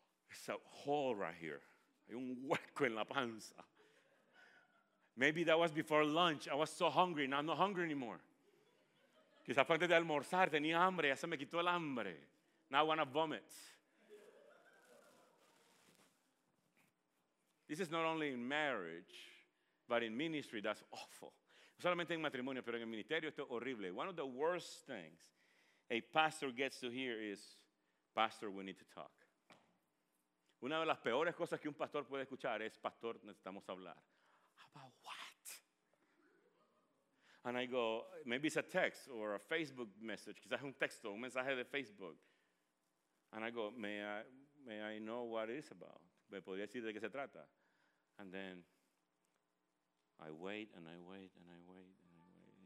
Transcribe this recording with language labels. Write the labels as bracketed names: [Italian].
[English] It's a hole right here. [Spanish] Hay un hueco en la panza. [English] Maybe that was before lunch. I was so hungry. Now I'm not hungry anymore. [Spanish] Quizás antes de almorzar tenía hambre, ya se me quitó el hambre. [English] Now I want to vomit. This is not only in marriage, but in ministry, that's awful. No solamente en matrimonio, pero en el ministerio esto es horrible. One of the worst things a pastor gets to hear is, Pastor, we need to talk. [Spanish] Una de las peores cosas que un pastor puede escuchar es, Pastor, necesitamos hablar. [English] About what? And I go, maybe it's a text or a Facebook message. [Spanish] Quizás un texto, un mensaje de Facebook. [English] And I go, may I know what it is about? [Spanish] ¿Me podría decir de qué se trata? [English] And then I wait and I wait and I wait and I wait.